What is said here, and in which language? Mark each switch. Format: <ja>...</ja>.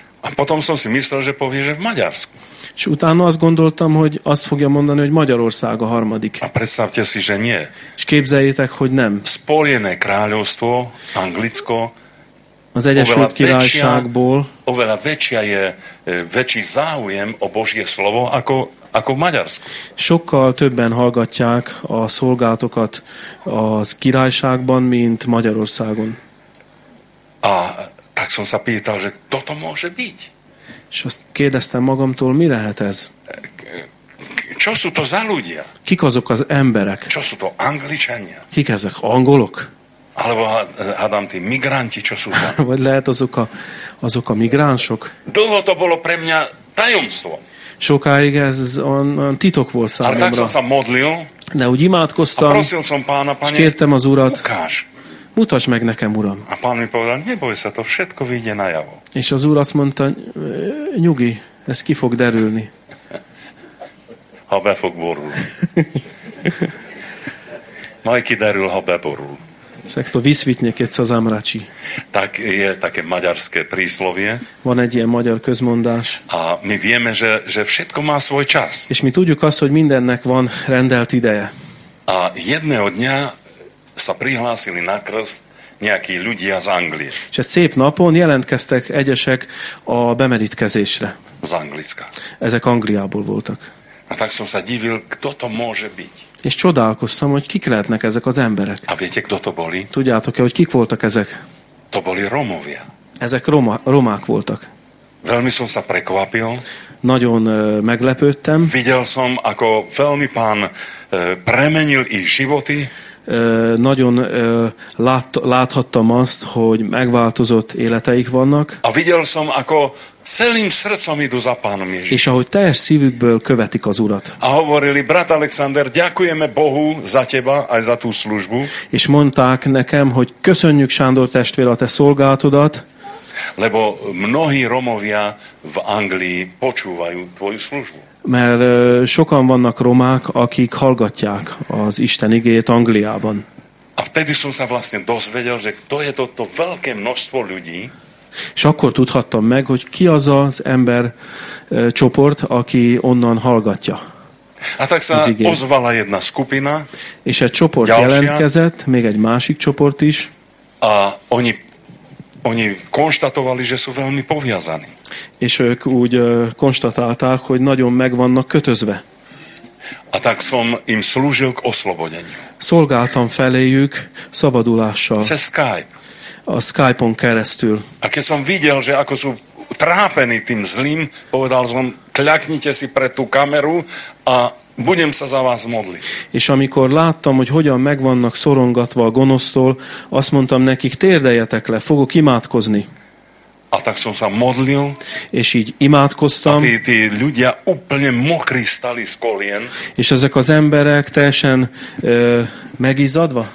<sk>A potom som si myslel, že povie, že v Maďarsku.</sk> <hu>És utána azt gondoltam, hogy azt fogja mondani, hogy Magyarország a harmadik.</hu> <sk>A predstavte si, že nie.</sk> <hu>És képzeljétek, hogy nem.</hu> <sk>Spojené kráľovstvo, Anglicko,</sk> <hu>az Egyesült Királyságból.</hu> <sk>Oveľa väčšia je väčší záujem o Božie slovo, ako v Maďarsku.</sk> <hu>Sokkal többen hallgatják a szolgálatokat az királyságban, mint Magyarországon.</hu> <sk>A tak som sa pýtal, že kto to môže byť?</sk> <hu>És azt kérdeztem magamtól, mi lehet ez?</hu> <sk>Čo sú to za ľudia?</sk> <hu>Kik azok az emberek?</hu> <sk>Čo sú to Angličania?</sk> <hu>Kik ezek? Angolok?</hu> <sk>Alebo hádam tí migranti, čo sú tam?</sk> <hu>Vagy lehet azok a migránsok?</hu> <sk>Dlho to bolo pre mňa tajomstvo.</sk> <hu>Sokáig ez on titok volt számomra.</hu> <sk>Ale tak som sa modlil.</sk> <hu>De úgy imádkoztam.</hu> <sk>A prosil som pána, pane.</sk> <hu>És kértem az urat.</hu> <sk>Ukáž.</sk> <hu>Mutasd meg nekem, uram.</hu> <sk>A pán mi povedal, neboj sa, to všetko vyjde na javo.</sk> <hu>És az úr azt mondta, nyugi, ez ki fog derülni. Ha be fog borulni. Majd kiderül, ha beborul.</hu> <sk>Tak to vysvitne, keď sa zamračí. Tak je také maďarské príslovie.</sk> <hu>Van egy ilyen magyar közmondás.</hu> <sk>A my vieme, že všetko má svoj čas.</sk> <hu>És mi tudjuk azt, hogy mindennek van rendelt ideje.</hu> <sk>A jedného dňa sa prihlásili na krst nejakí ľudia z Anglie.</sk> <hu>És egy szép napon jelentkeztek egyesek a bemerítkezésre.</hu> <sk>Z Anglicka.</sk> <hu>Ezek Angliából voltak.</hu> <sk>A tak som sa divil, kto to môže byť.</sk> <hu>És csodálkoztam, hogy kik lehetnek ezek az emberek.</hu> <sk>A viete, kto to boli?</sk> <hu>Tudjátok-e, hogy kik voltak ezek?</hu> <sk>To boli Romovia.</sk> <hu>Ezek romák voltak.</hu> <sk>Veľmi som sa prekvapil.</sk> <hu>Nagyon meglepődtem.</hu> <sk>Videl som, ako veľmi pán premenil ich životy.</sk> <hu>Nagyon láthattam azt, hogy megváltozott életeik vannak.</hu> <sk>A videl som, ako celým srdcom idú za pánom Ježišom.</sk> <hu>És ahogy teljes szívükből követik az Urat.</hu> <sk>A hovorili, brat Alexander, ďakujeme Bohu za teba, aj za tú službu.</sk> <hu>És mondták nekem, hogy köszönjük Sándor testvér a te szolgálatodat.</hu> <sk>Lebo mnohí Romovia v Anglii počúvajú tvoju službu.</sk> <hu>Mert sokan vannak romák, akik hallgatják az Isten igéjét Angliában.</hu> <sk>A vtedy som sa vlastne dozvedel, že kto je toto veľké množstvo ľudí.</sk> <hu>És akkor tudhattam meg, hogy ki az az ember csoport, aki onnan hallgatja.</hu> <sk>A tak sa ozvala jedna skupina.</sk> <hu>És egy csoport</hu> <sk>ďalšia,</sk> <hu>jelentkezett, még egy másik csoport is.</hu> <sk>A oni konstatovali, že sú veľmi poviazaní.</sk> <hu>És ők úgy konstatálták, hogy nagyon meg vannak kötözve.</hu> <sk>A tak som im slúžil k oslobodeniu.</sk> <hu>Szolgáltam feléjük szabadulással.</hu> <sk>Cez Skype.</sk> <hu>A Skype-on keresztül.</hu> <sk>A keď som videl, že ako sú trápení tým zlým, povedal som, kľaknite si pre tú kameru a budem sa za vás modliť.</sk> <hu>És amikor láttam, hogy hogyan megvannak szorongatva a gonosztól, azt mondtam nekik, térdeljetek le, fogok imádkozni.</hu> <sk>A tak som sa modlil.</sk> <hu>És így imádkoztam.</hu> <sk>A tí ľudia úplne mokri stali z kolien.</sk> <hu>És ezek az emberek teljesen megizzadva?</hu>